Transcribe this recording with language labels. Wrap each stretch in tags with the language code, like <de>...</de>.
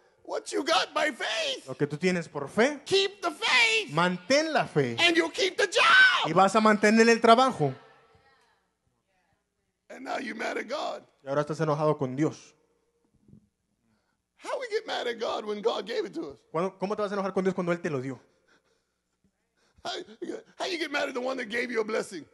<en>What you got by faith.</en> <es>Lo que tú tienes por fe.</es> <en>Keep the faith.</en> <es>Mantén la fe.</es> <en>And you'll keep the job.</en> <es>Y vas a mantener el trabajo.</es> <en>And now you're mad at God.</en> <es>Y ahora estás enojado con Dios.</es> <en>How we get mad at God when God gave it to us?</en> <es>¿Cómo te vas a enojar con Dios cuando Él te lo dio?</es> <en>How you get mad at the one that gave you a blessing?</en>